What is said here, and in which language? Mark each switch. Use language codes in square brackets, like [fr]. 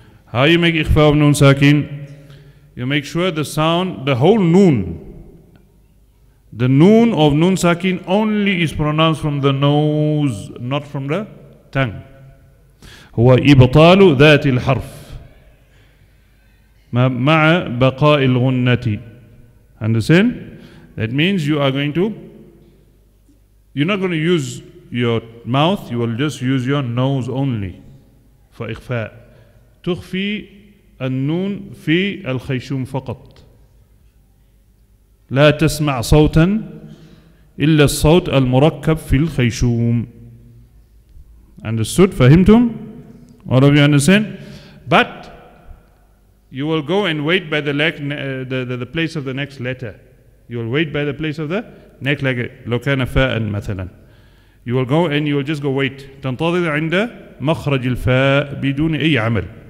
[en] How you make إخفاء of نون ساكين؟ You make sure the sound, the whole نون، the نون of نون ساكين only is pronounced from the nose, not from the tongue. [ar] هو إبطال ذات الحرف مع بقاء الغنة. [en] Understand? That means you are going to, you're not going to use your mouth, you will just use your nose only for إخفاء. [ar] تخفي النون في الخيشوم فقط. لا تسمع صوتا إلا الصوت المركب في الخيشوم. [en] Understood? [ar] فهمتم؟ [en] All of you understand? But you will go and wait by the place of the next letter. You will wait by the place of the next letter. [ar] لو كان فاء مثلا. [en] You will go and you will just go wait. [ar] تنتظر عند مخرج الفاء بدون أي عمل.